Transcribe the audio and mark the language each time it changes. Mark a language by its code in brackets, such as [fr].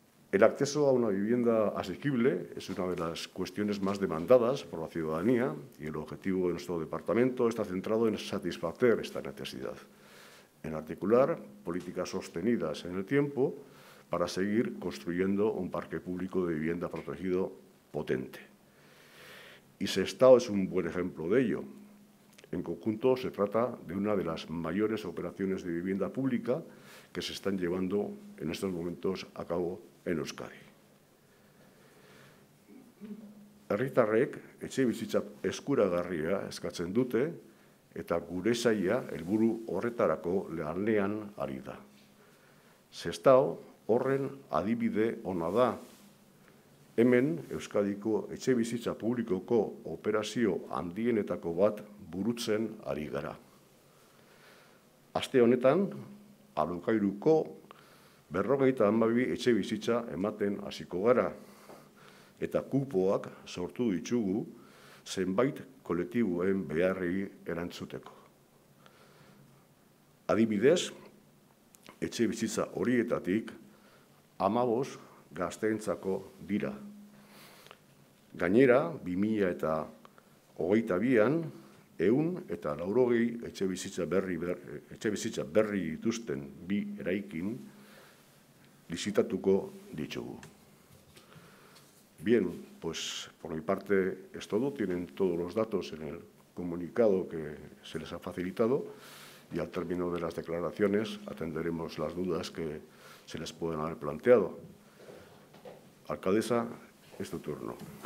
[es] El acceso a una vivienda asequible es una de las cuestiones más demandadas por la ciudadanía y el objetivo de nuestro departamento está centrado en satisfacer esta necesidad, en articular políticas sostenidas en el tiempo para seguir construyendo un parque público de vivienda protegido potente. Y Sestao es un buen ejemplo de ello. En conjunto, se trata de una de las mayores operaciones de vivienda pública que se están llevando en estos momentos a cabo en Euskadi. [eu] Herritarrek etxebizitza eskuragarria eskatzen dute eta gure saia helburu horretarako lanean ari da. Sestao horren adibide ona da. Hemen, Euskadiko etxebizitza publikoko operazio handienetako bat burutzen ari gara. Aste honetan, Alokairuko 52 etxebizitza ematen hasiko gara, eta kupoak sortu ditugu zenbait kolektiboen beharrei erantzuteko. Adibidez, etxebizitza horietatik 15 gazteentzako dira. Gainera, 2022an, 180 etxebizitza berri dituzten bi eraikin lizitatuko ditugu. [es] Bien, pues por mi parte es todo. Tienen todos los datos en el comunicado que se les ha facilitado y al término de las declaraciones atenderemos las dudas que se les pueden haber planteado. Alcaldesa, es tu turno.